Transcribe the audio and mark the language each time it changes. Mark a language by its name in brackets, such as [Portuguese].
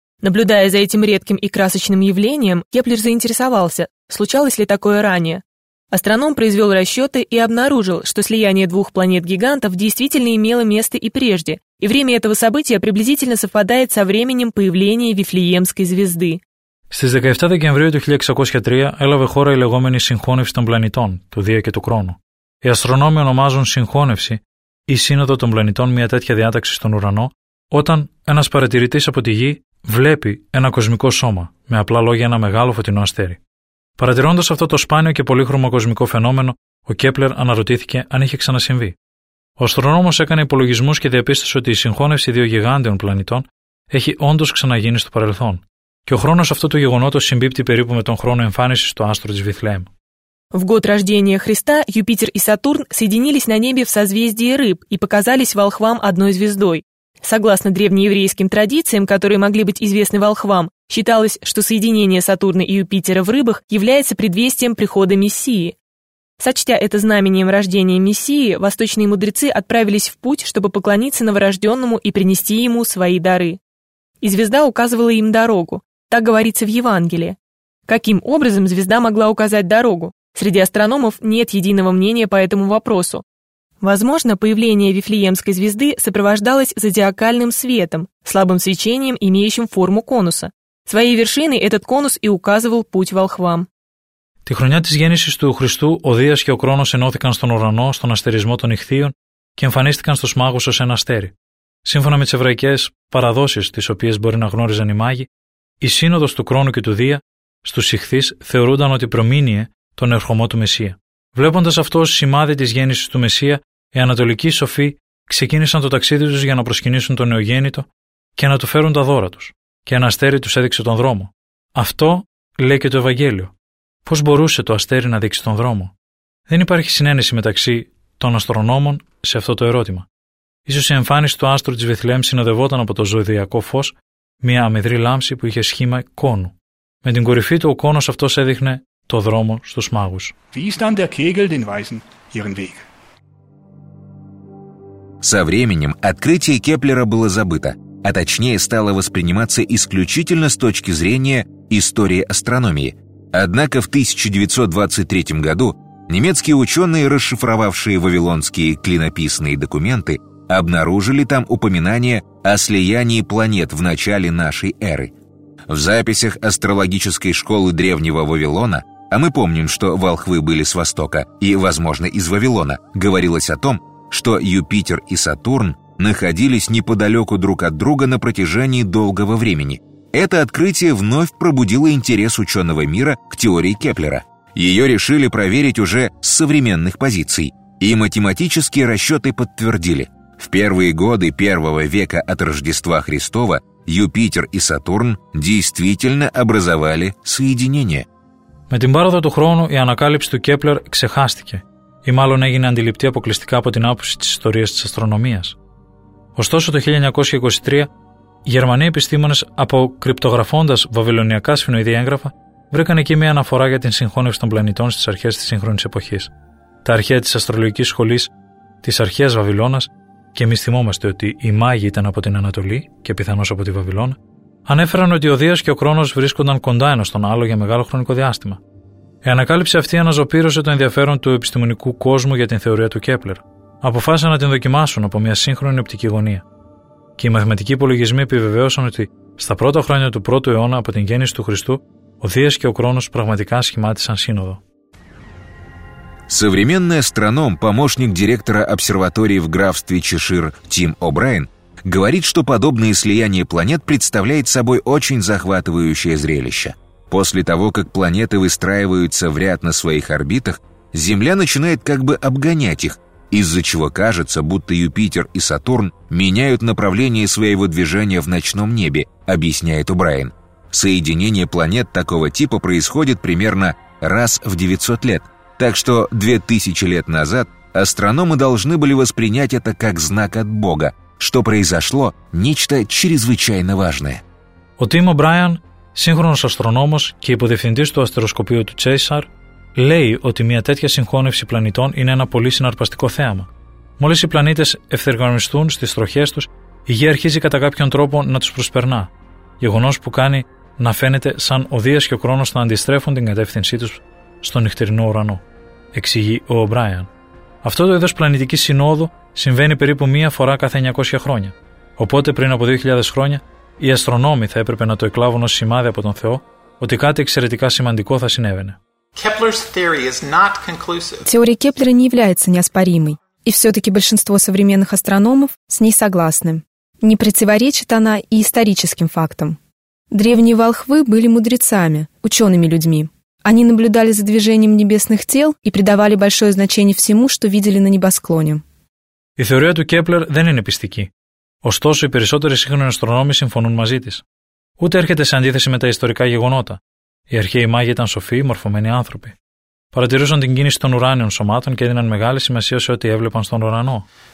[Russian] Наблюдая за этим редким и красочным явлением, Кеплер заинтересовался, случалось ли такое ранее. Астроном произвел расчеты и обнаружил, что слияние двух планет-гигантов действительно имело место и прежде, и время этого события приблизительно совпадает со временем появления Вифлеемской звезды. [Greek] Στις 17 Δεκεμβρίου του 1603 έλαβε χώρα η λεγόμενη συγχώνευση των πλανητών, του Δία και του Κρόνου. Οι αστρονόμοι ονομάζουν συγχώνευση ή σύνοδο των πλανητών μια τέτοια διάταξη στον ουρανό, όταν ένας παρατηρητής από τη Γη βλέπει ένα κοσμικό σώμα, με απλά λόγια ένα μεγάλο φωτεινό αστέρι. Παρατηρώντας αυτό το σπάνιο και πολύχρωμο κοσμικό φαινόμενο, ο Κέπλερ αναρωτήθηκε αν είχε ξανασυμβεί. Ο αστρονόμος έκανε υπολογισμούς και διαπίστωσε ότι η συγχώνευση δύο γιγάντιων πλανητών έχει όντως ξαναγίνει στο παρελθόν. Και ο χρόνος αυτού του γεγονότος συμπίπτει περίπου με τον χρόνο εμφάνισης του άστρου της Βηθλεέμ. [Russian] В год рождения Христа Юпитер и Сатурн соединились на небе в созвездии Рыб и показались волхвам одной звездой. Согласно древнееврейским традициям, которые могли быть известны волхвам, считалось, что соединение Сатурна и Юпитера в рыбах является предвестием прихода Мессии. Сочтя это знамением рождения Мессии, восточные мудрецы отправились в путь, чтобы поклониться новорожденному и принести ему свои дары. И звезда указывала им дорогу. Так говорится в Евангелии. Каким образом звезда могла указать дорогу? Среди астрономов нет единого мнения по этому вопросу. Возможно, появление Вифлеемской звезды сопровождалось зодиакальным светом, слабым свечением, имеющим форму конуса. Своей вершиной этот конус и указывал путь волхвам. [Greek] Τη χρονιά της γέννησης του Χριστού, ο Δίας και ο Κρόνος ενώθηκαν στον ουρανό, στον αστερισμό των Ιχθύων και εμφανίστηκαν στους μάγους ως ένα αστέρι. Σύμφωνα με τις εβραϊκές παραδόσεις, τις οποίες μπορεί να γνώριζαν οι μάγοι, η σύνοδος του Κρόνου και του Δία στους Ιχθύς θεωρούνταν ότι προμήνυε τον ερχομό του Μεσσία. Βλέποντας αυτό ως σημάδι της γέννησης του Μεσσία, οι ανατολικοί σοφοί ξεκίνησαν το ταξίδι τους για να προσκυνήσουν τον νεογέννητο και να του φέρουν τα δώρα τους. Και ένα αστέρι τους έδειξε τον δρόμο. Αυτό λέει και το Ευαγγέλιο. Πώς μπορούσε το αστέρι να δείξει τον δρόμο? Δεν υπάρχει συνένεση μεταξύ των αστρονόμων σε αυτό το ερώτημα. Ίσως η εμφάνιση του άστρου της Βηθλεέμ συνοδευόταν από το ζωδιακό φως, μια αμυδρή λάμψη που είχε σχήμα κόνου. Με την κορυφή του ο κόνος αυτός έδειχνε το δρόμο στους μάγους. [Russian] Со временем открытие Кеплера было забыто, а точнее стало восприниматься исключительно с точки зрения истории астрономии. Однако в 1923 году немецкие ученые, расшифровавшие вавилонские клинописные документы, обнаружили там упоминание о слиянии планет в начале нашей эры. В записях астрологической школы древнего Вавилона, а мы помним, что волхвы были с Востока и, возможно, из Вавилона, говорилось о том, что Юпитер и Сатурн находились неподалеку друг от друга на протяжении долгого времени. Это открытие вновь пробудило интерес ученого мира к теории Кеплера. Ее решили проверить уже с современных позиций, и математические расчеты подтвердили. В первые годы первого века от Рождества Христова Юпитер и Сатурн действительно образовали соединение. [Greek] Με την πάροδο του χρόνου η ανακάλυψη του Κέπλερ ξεχάστηκε ή μάλλον έγινε αντιληπτή αποκλειστικά από την άποψη της ιστορίας της αστρονομίας. Ωστόσο το 1923 οι Γερμανοί επιστήμονες αποκρυπτογραφώντας βαβυλωνιακά σφινοειδή έγγραφα βρήκαν εκεί μια αναφορά για την συγχώνευση των πλανητών στις αρχές της σύγχρονης εποχής. Τα αρχαία της αστρολογικής σχολής της αρχαίας Βαβυλώνας, και εμείς θυμόμαστε ότι οι μάγοι ήταν από την Ανατολή και πιθανώς από τη Βαβυλώνα, ανέφεραν ότι ο Δίας και ο Κρόνος βρίσκονταν κοντά ένας στον άλλο για μεγάλο χρονικό διάστημα. Η ανακάλυψη αυτή αναζωπήρωσε το ενδιαφέρον του επιστημονικού κόσμου για την θεωρία του Κέπλερ. Αποφάσισαν να την δοκιμάσουν από μια σύγχρονη οπτική γωνία. Και οι μαθηματικοί υπολογισμοί επιβεβαίωσαν ότι στα πρώτα χρόνια του 1ου αιώνα από την γέννηση του Χριστού, ο Δίας και ο Κρόνος πραγματικά σχημάτισαν σύνοδο. [Russian] Современный астроном, помощник директора обсерватории в графстве Чешир Тим О'Брайен, говорит, что подобное слияние планет представляет собой очень захватывающее зрелище. После того, как планеты выстраиваются в ряд на своих орбитах, Земля начинает как бы обгонять их, из-за чего кажется, будто Юпитер и Сатурн меняют направление своего движения в ночном небе, объясняет О'Брайен. Соединение планет такого типа происходит примерно раз в 900 лет. Так что 2000 лет назад астрономы должны были воспринять это как знак от Бога, что произошло нечто чрезвычайно важное. [Greek] Ο Τίμ Ομπράιαν, σύγχρονος αστρονόμος και υποδιευθυντής του αστεροσκοπείου του Τσέσσαρ, λέει ότι μια τέτοια συγχώνευση πλανητών είναι ένα πολύ συναρπαστικό θέαμα. Μόλις οι πλανήτες ευθεργανιστούν στις τροχές τους, η Γη αρχίζει κατά κάποιον τρόπο να τους προσπερνά. Γεγονός που κάνει να φαίνεται σαν ο Δίας και ο Κρόνος να αντιστρέφουν την κατεύθυνσή τους στον νυχτερινό ουρανό, εξηγεί ο Ομπράιαν. Αυτό το είδος πλανητικής συνόδου συμβαίνει περίπου μία φορά κάθε 900 χρόνια. Οπότε πριν από 2.000 χρόνια, οι αστρονόμοι θα έπρεπε να το εκλάβουν ως σημάδι από τον Θεό ότι κάτι εξαιρετικά σημαντικό θα συνέβαινε. [Russian] Теория Кеплера не является неоспоримой, и все-таки большинство современных астрономов с ней согласны. Не противоречит она и историческим фактам. Древние волхвы были мудрецами, учеными людьми. Они наблюдали за движением небесных тел и придавали большое значение всему, что видели на небосклоне. [Greek] Η θεωρία του Кеплер δεν είναι πιστική. Ωστόσο, οι περισσότεροι σύγχρονοι αστρονόμοι συμφωνούν μαζί της. Ούτε έρχεται σε αντίθεση με τα ιστορικά γεγονότα. Οι αρχαίοι μάγοι ήταν σοφοί, μορφωμένοι άνθρωποι. Παρατηρούσαν την κίνηση των ουράνιων σωμάτων και έδιναν μεγάλη σημασία σε ό,τι έβλεπαν στον ουρανό.